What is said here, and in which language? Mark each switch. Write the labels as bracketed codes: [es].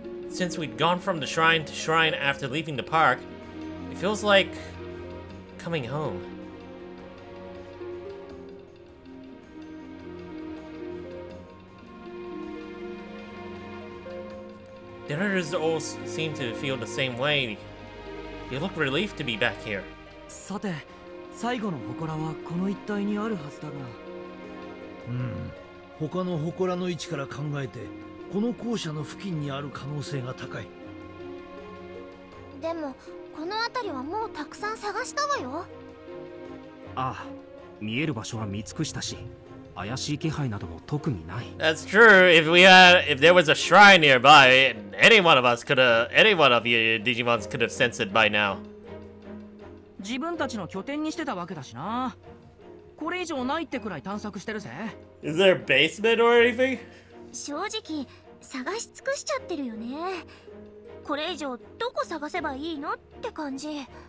[en] Since we'd gone from the shrine to shrine after leaving the park, it feels like coming home. The others all seem to feel the same way. They look relieved to be back here. [ja] さて、最後の祠はこの一帯にあるはずだが。他の祠の位置から考えて。この校舎の付近にある可能性が高い。でもこの辺りはもうたくさん探したわよ。ああ、見える場所は見尽くしたし、怪しい気配なども特にない。 [en] That's true. If we had, if there was a shrine nearby, any one of us could have, any one of you Digimons could have sensed by now. [ja] 自分たちの拠点にしてたわけだしな。これ以上ないってくらい探索してるぜ。 [en] Is there a basement or anything? [ja] 正直、探し尽くしちゃってるよね。これ以上どこ探せばいいのって感じ。